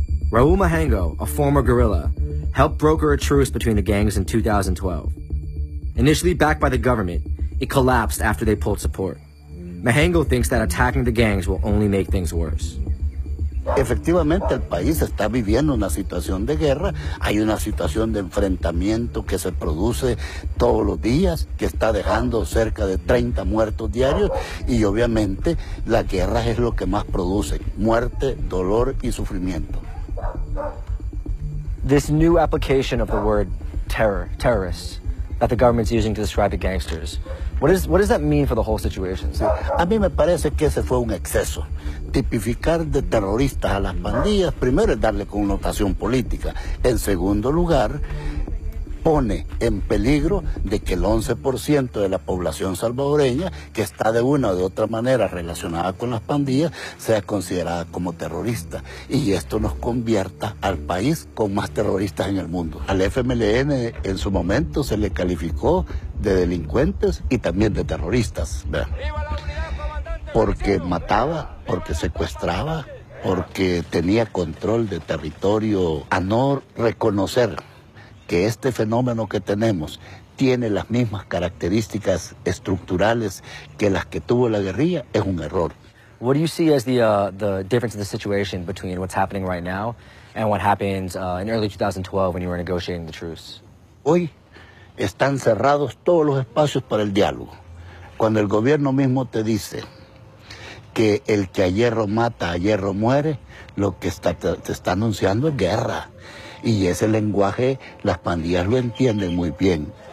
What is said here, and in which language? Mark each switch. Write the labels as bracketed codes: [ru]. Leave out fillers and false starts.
[en] Raul Mahango, a former guerrilla, helped broker a truce between the gangs in 2012. Initially backed by the government, it collapsed after they pulled support. Mahango thinks that attacking the gangs will only make things worse. [es] Efectivamente, el país está viviendo una situación de guerra. Hay una situación de enfrentamiento que se produce todos los días, que está dejando cerca de 30 muertos diarios. Y obviamente, la guerra es lo que más produce muerte, dolor y sufrimiento. [en] This new application of the word terror, terrorists, that the government's using to describe the gangsters, what does that mean for the whole situation? [es] A mí me parece que ese fue un exceso. Tipificar de terroristas a las pandillas, primero es darle connotación política. En segundo lugar, pone en peligro de que el 11% de la población salvadoreña, que está de una o de otra manera relacionada con las pandillas, sea considerada como terrorista. Y esto nos convierta al país con más terroristas en el mundo. Al FMLN en su momento se le calificó de delincuentes y también de terroristas, ¿verdad? Porque mataba, porque secuestraba, porque tenía control de territorio, a no reconocer que este fenómeno que tenemos tiene las mismas características estructurales que las que tuvo la guerrilla es un error. [en] What do you see as the difference in the situation between what's happening right now and what happened in early 2012 when you were negotiating the truce? [es] Hoy están cerrados todos los espacios para el diálogo. Cuando el gobierno mismo te dice que el que a hierro mata, a hierro muere, lo que está, te está anunciando es guerra. Y ese lenguaje, las pandillas lo entienden muy bien.